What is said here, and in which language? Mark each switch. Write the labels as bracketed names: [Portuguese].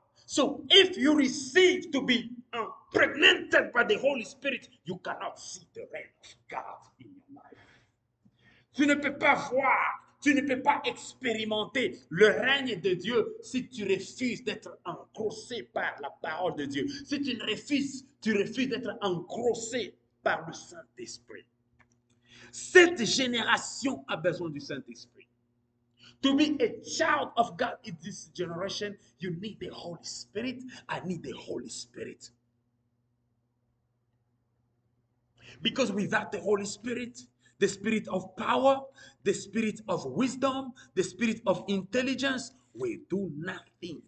[English] So, if you receive to be impregnated by the Holy Spirit, you cannot see the reign of God in your life. [French] Tu ne peux pas voir. Tu ne peux pas expérimenter le règne de Dieu si tu refuses d'être engrossé par la parole de Dieu. Si tu ne refuses, tu refuses d'être engrossé par le Saint-Esprit. Cette génération a besoin du Saint-Esprit. [English] To be a child of God in this generation, you need the Holy Spirit. I need the Holy Spirit. Because without the Holy Spirit, the spirit of power, the spirit of wisdom, the spirit of intelligence, we do nothing.